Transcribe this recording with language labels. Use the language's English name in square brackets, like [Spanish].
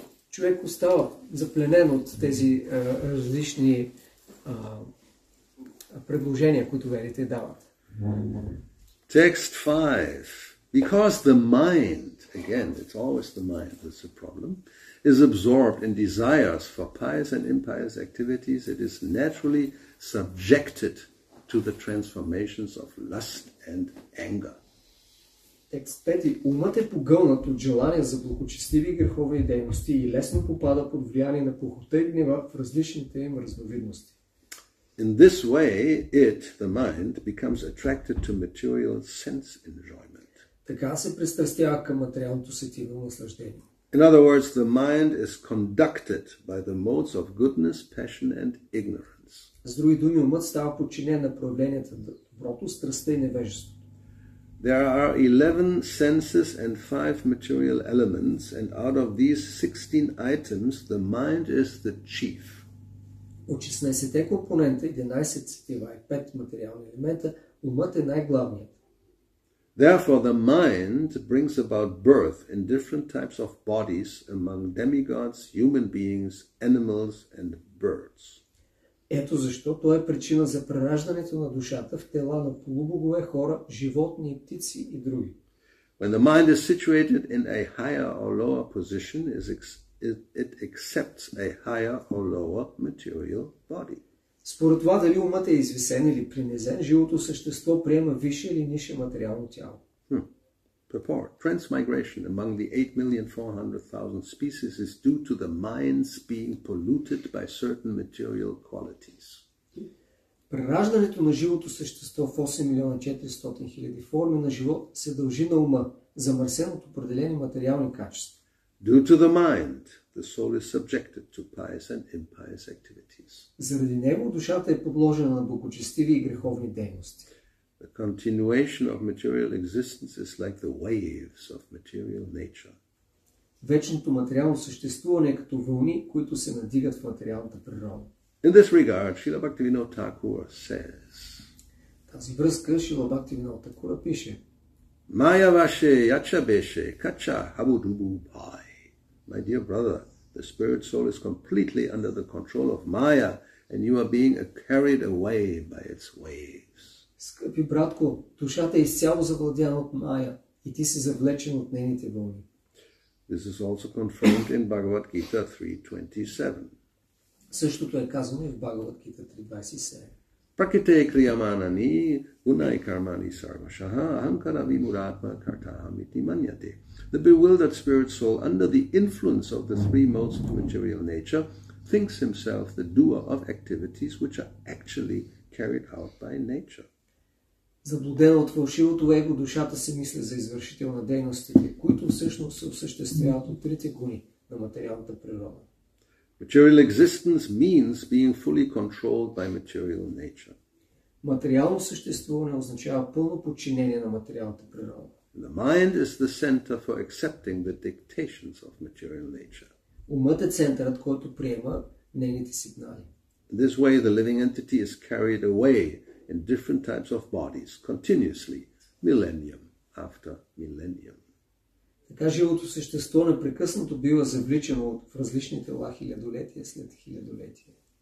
[Bulgarian] Човек остава запленен от тези различни предложения, които ведите дават. [English] Text 5. Because the mind, again, it's always the mind that's the problem, is absorbed in desires for pious and impious activities, it is naturally subjected to the transformations of lust and anger. [Bulgarian] Експерти, умът е погълнат от желания за благочестиви греховни дейности и лесно попада под влияние на похота и гнева в различните им разновидности. [English] In this way, it, the mind, becomes attracted to material sense enjoyment. [Bulgarian] Така се пристрастява към материалното сетиво наслаждение. [English] In other words, the mind is conducted by the modes of goodness, passion and ignorance. [Bulgarian] С други думи, умът става подчинен на проявленията на доброто, страстта и невежеството. [English] There are 11 senses and 5 material elements, and out of these 16 items, the mind is the chief. [Bulgarian] От 16-те компонента, 11 сетива и 5 материални елемента, умът е най-главният. [English] Therefore, the mind brings about birth in different types of bodies among demigods, human beings, animals, and birds. [Bulgarian] Ето защо то е причина за прераждането на душата в тела на полубогове, хора, животни, птици и други. [English] When the mind is situated in a higher or lower position, it accepts a higher or lower material body. [Bulgarian] Според това, дали умът е извисен или принизен, живото същество приема висше или нише материално тяло. [English] Purport. Transmigration among the 8,400,000 species is due to the minds being polluted by certain material qualities. [Bulgarian] Прераждането на живото същество в 8,400,000 форми на живот се дължи на ума, замърсен от определени материални качества. [English] Due to the mind, the soul is subjected to pious and impious activities. [Bulgarian] Заради него душата е подложена на благочестиви и греховни дейности. [English] The continuation of material existence is like the waves of material nature. [Bulgarian] Вечното материално съществуване е като вълни, които се надигат в материалната природа. [English] In this regard, Srila Bhaktivinoda Thakur says, [Bulgarian] тази връзка Srila Bhaktivinoda Thakur пише, [Bangla] Maya vashe yacha beshe kacha habudubu bhai. [English] My dear brother, the spirit soul is completely under the control of Maya and you are being carried away by its waves. [Bulgarian] Скъпи братко, душата е изцяло завладяна от Maya и ти си завлечен от нейните вълни. [English] This is also confirmed in Bhagavad Gita 3.27. [Bulgarian] Същото е казано и в Bhagavad Gita 3.27. [Sanskrit] Prakite kriyamanani unai karmani sarvashaha ahamkara vimuratma kartaham iti manyate. [English] The bewildered spirit soul, under the influence of the three modes of material nature, thinks himself the doer of activities which are actually carried out by nature. [Bulgarian] Заблуден от фалшивото его, душата си мисля за извършител на дейностите, които всъщност се осъществяват от трите гуни на материалната природа. [English] Material existence means being fully controlled by material nature. [Bulgarian] Материално съществуване означава пълно подчинение на материалната природа. [English] The mind is the center for accepting the dictations of material nature. [Bulgarian] Умът е центърът, който приема нейните сигнали. [English] In this way the living entity is carried away in different types of bodies continuously, millennium after millennium. [Bulgarian] Така живото същество непрекъснато бива завличано в различни тела хилядолетия след хилядолетия.